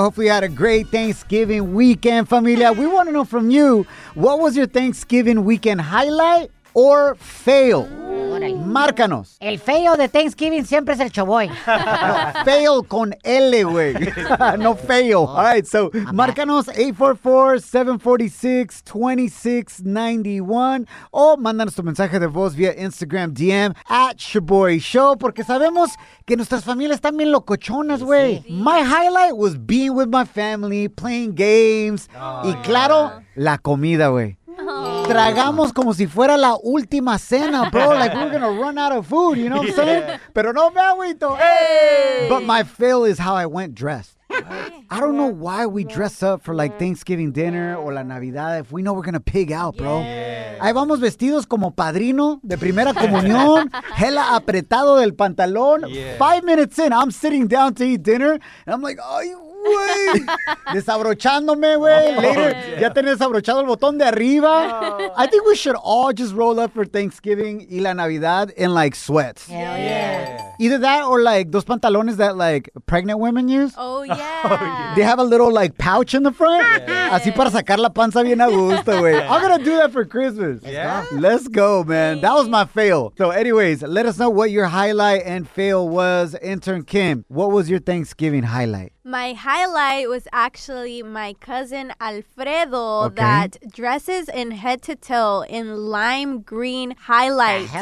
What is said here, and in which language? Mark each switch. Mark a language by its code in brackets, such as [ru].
[en] Hopefully you had a great Thanksgiving weekend, familia. We want to know from you, what was your Thanksgiving weekend highlight or fail? [es] Márcanos. El fail de Thanksgiving siempre es el Shaboy. No, fail con L, güey. No fail. [en] All right, so [es] márcanos 844-746-2691 o mándanos tu mensaje de voz vía Instagram DM at Shaboy Show porque sabemos que nuestras familias están bien locochonas, güey. Sí, sí. [en] My highlight was being with my family, playing games. [es] Oh, y claro, la comida, güey. Tragamos como si fuera la última cena, bro. [en] Like, we're gonna run out of food, you know what I'm saying? [es] Pero no me agüito. [en] But my fail is how I went dressed. I don't know why we dress up for, like, Thanksgiving dinner or [es] la Navidad [en] if we know we're gonna pig out, bro. Yeah. [es] Ahí vamos vestidos como padrino de primera comunión, hella apretado del pantalón. [en] Yeah. 5 minutes in, I'm sitting down to eat dinner, and I'm like, [es] ay, güey, desabrochándome, güey. [en] Oh, later, yeah. [es] Ya tenés abrochado el botón de arriba. No. [en] I think we should all just roll up for Thanksgiving [es] y la Navidad [en] in, like, sweats. Hell yeah. Either that or, like, those pantalones that, like, pregnant women use. Oh, yeah. They have a little, like, pouch in the front. Yeah. [es] Así para sacar la panza bien a gusto, güey. [en] Yeah. I'm gonna do that for Christmas. Yeah. Let's go, man. That was my fail. So, anyways, let us know what your highlight and fail was. Intern Kim, what was your Thanksgiving highlight? My highlight was actually my cousin Alfredo, okay, that dresses in head to toe in lime green highlights.